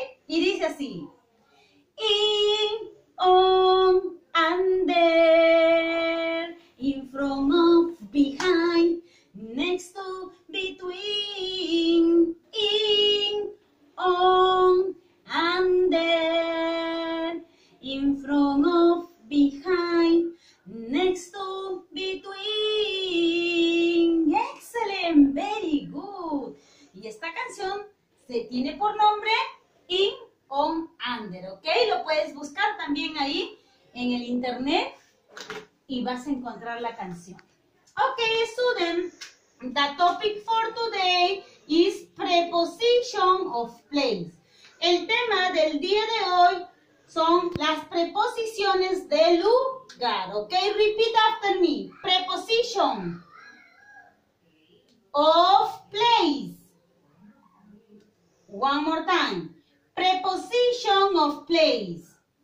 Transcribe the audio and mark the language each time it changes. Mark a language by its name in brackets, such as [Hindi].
[Spanish] Y dice así. [English] In, on, under, in from of, behind, next to, between, in, on, under, in from of, behind, next to, between. Excellent, very good. [Spanish] Y esta canción se tiene por nombre In, on, under, ¿ok? Lo puedes buscar también ahí en el internet y vas a encontrar la canción. [English] Ok, student, the topic for today is preposition of place. [Spanish] El tema del día de hoy son las preposiciones de lugar, ¿ok? [English] Repeat after me. Preposition of place. One more time. Preposition of place.